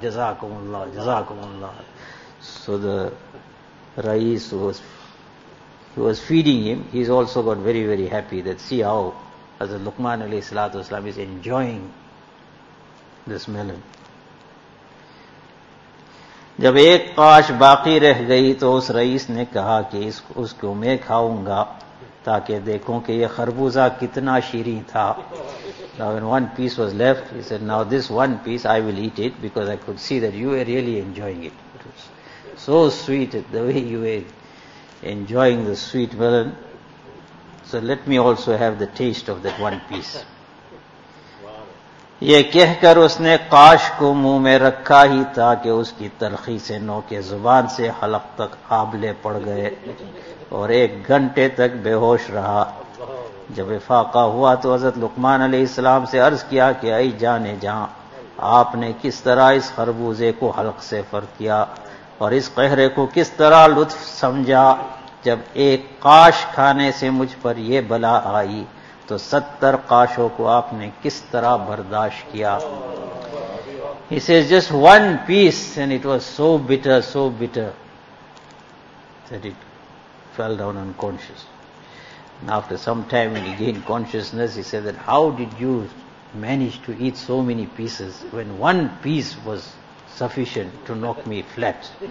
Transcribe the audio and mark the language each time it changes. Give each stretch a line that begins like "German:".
English: Jazakumullah, jazakumullah. So the rais who was feeding him, he's also got very, very happy that see how Hazrat Luqman alayhi salatu wasalam is enjoying this melon.
Urdu: جب ایک قاش باقی رہ گئی تو اس رئیس نے کہا کہ اس کو میں کھاؤں گا تاکہ دیکھوں کہ یہ خربوزہ کتنا شیریں تھا.
English: Now when one piece was left, he said, now this one piece I will eat it because I could see that you were really enjoying it. It was so sweet the way you were enjoying the sweet melon. So let me also have the taste of that one piece.
Urdu: یہ کہہ کر اس نے قاش کو منہ میں رکھا ہی تھا کہ اس کی تلخی سے نوکے زبان سے حلق تک آبلے پڑ گئے اور ایک گھنٹے تک بے ہوش رہا. جب افاقہ ہوا تو حضرت لقمان علیہ السلام سے عرض کیا کہ اے جانے جان آپ نے کس طرح اس خربوزے کو حلق سے فرد کیا اور اس قہرے کو کس طرح لطف سمجھا. جب ایک قاش کھانے سے مجھ پر یہ بلا آئی تو 70 قاشوں کو آپ نے کس طرح برداشت کیا.
English: He says just one piece and it was so bitter that it fell down unconscious. And after some time when he gained consciousness, he said that how did you manage to eat so many pieces when one piece was sufficient to knock me flat?